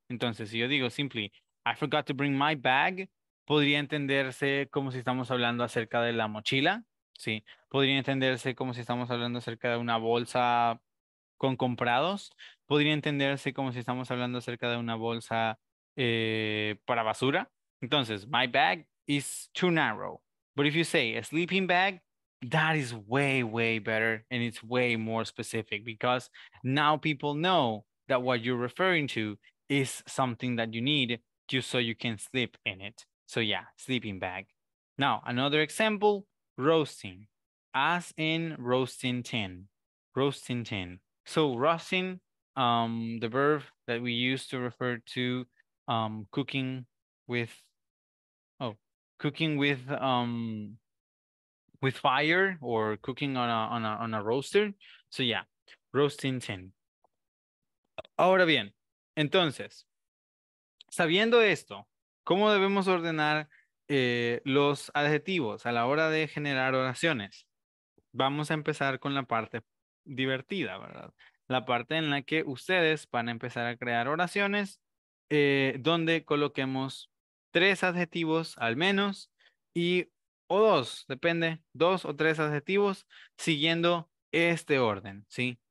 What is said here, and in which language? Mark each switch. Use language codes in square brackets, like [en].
[es] Entonces, si yo digo simply, [en] I forgot to bring my bag, [es] podría entenderse como si estamos hablando acerca de la mochila, ¿sí? Podría entenderse como si estamos hablando acerca de una bolsa con comprados. Podría entenderse como si estamos hablando acerca de una bolsa para basura. Entonces, [en] my bag is too narrow. But if you say a sleeping bag, that is way, way better. And it's way more specific because now people know that what you're referring to is something that you need just so you can sleep in it. So yeah, sleeping bag. Now, another example, roasting. As in roasting tin. Roasting tin. So roasting, the verb that we use to refer to cooking with fire or cooking on a roaster. So yeah, roasting tin. [es] Ahora bien, entonces, sabiendo esto, ¿cómo debemos ordenar los adjetivos a la hora de generar oraciones? Vamos a empezar con la parte divertida, ¿verdad? La parte en la que ustedes van a empezar a crear oraciones donde coloquemos tres adjetivos al menos y o dos, depende, dos o tres adjetivos siguiendo este orden, ¿sí?